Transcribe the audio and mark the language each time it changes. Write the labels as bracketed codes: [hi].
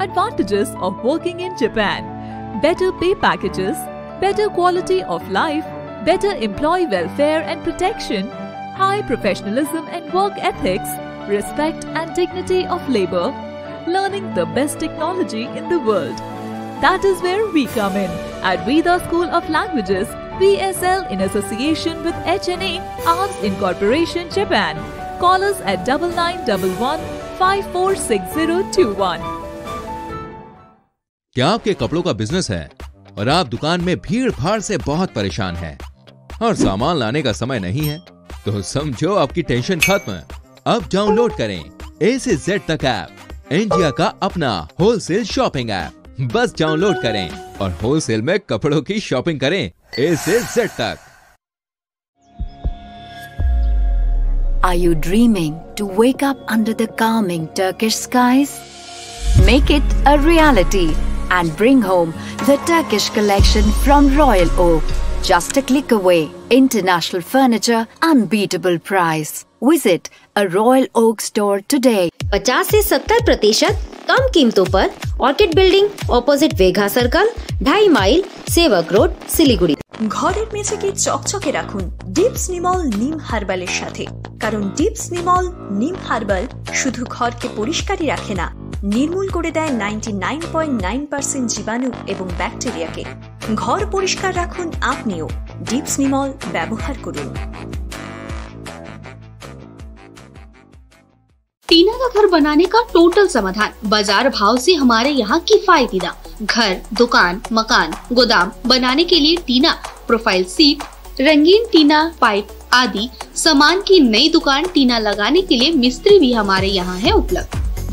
[en] Advantages of working in Japan: better pay packages, better quality of life, better employee welfare and protection, high professionalism and work ethics, respect and dignity of labor, learning the best technology in the world. That is where we come in. At Veda School of Languages, VSL in association with HNA Arts Incorporation Japan. Call us at 9911546021. [hi] क्या आपके कपड़ों का business है और आप दुकान में भीड़भाड़ से बहुत परेशान हैं और सामान लाने का समय नहीं है, तो समझो आपकी टेंशन खत्म। अब डाउनलोड करें A से Z तक ऐप, इंडिया का अपना होलसेल शॉपिंग ऐप। बस डाउनलोड करें और होलसेल में कपड़ों की शॉपिंग करें A से Z तक। [en] Are you dreaming to wake up under the calming Turkish skies? Make it a reality and bring home the Turkish collection from Royal Oak. Just a click away. International furniture, unbeatable price. Visit a Royal Oak store today. [hi] 50-70% कम कीमतों पर orchid building opposite वेघा circle 2.5 mile सेवक road Siliguri. [bn] ঘরের মেঝেকে চকচকে রাখুন dips Nimal নিম হার্বালের সাথে, কারণ dips Nimal নিম হার্বাল শুধু ঘরকে পরিষ্কারই রাখে না, নির্মূল করে দেয় 99.9% জীবাণু এবং ব্যাকটেরিয়াকে। ঘর পরিষ্কার রাখুন আপনিও, ডিপস নিমল ব্যবহার করুন। [hi] टीना का घर बनाने का टोटल समाधान बाजार भाव से हमारे यहाँ किफायती दाम। घर, दुकान, मकान, गोदाम बनाने के लिए टीना, प्रोफाइल सीट, रंगीन टीना पाइप आदि सामान की नई दुकान टीना लगाने के लिए मिस्त्री भी हमारे यहाँ है उपलब्ध।